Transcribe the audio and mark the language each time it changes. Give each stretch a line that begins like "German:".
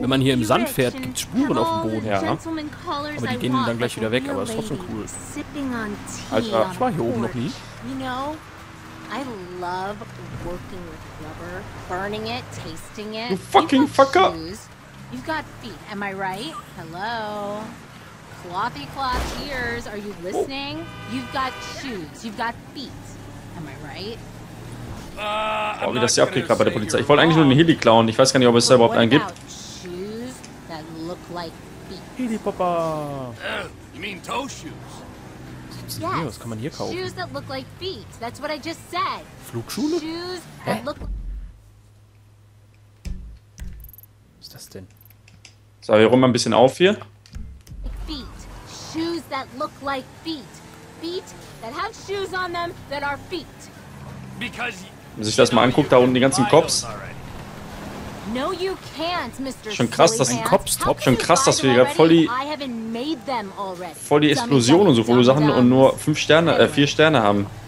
German: Wenn man hier im Sand fährt, gibt es Spuren auf dem Boden, ja. Aber die gehen dann gleich wieder weg, aber ist trotzdem cool. Alter, ich war hier oben noch nie.
English: I love working with rubber, burning it, tasting it. You fucking fucker! You've got feet, am I right? Hello? Clothy cloth ears, are you listening? Oh. You've got shoes, you've got feet, am I right?
German: Oh, wie das hier abgeht gerade bei der Polizei. Ich wollte eigentlich nur einen Heli klauen. Ich weiß gar nicht, ob es da überhaupt einen gibt.
English: Shoes that look like feet. Heli Papa! You mean toe shoes? Yes.
German: Was kann man hier kaufen?
English: Shoes that look like feet. That's what I just said. Flugschule? Shoes that look...
German: Was ist das denn? So, wir räumen mal ein bisschen auf hier.
English: Feet. Shoes that look like feet. Feet that have shoes on them that are feet. Because
German: wenn sich das mal anguckt, da unten die ganzen Cops.
English: No, you can't, Mr.
German: Schon krass, dass ein Cops-Top. Schon krass, dass wir voll die Explosion und so voll Sachen und nur 4 Sterne haben.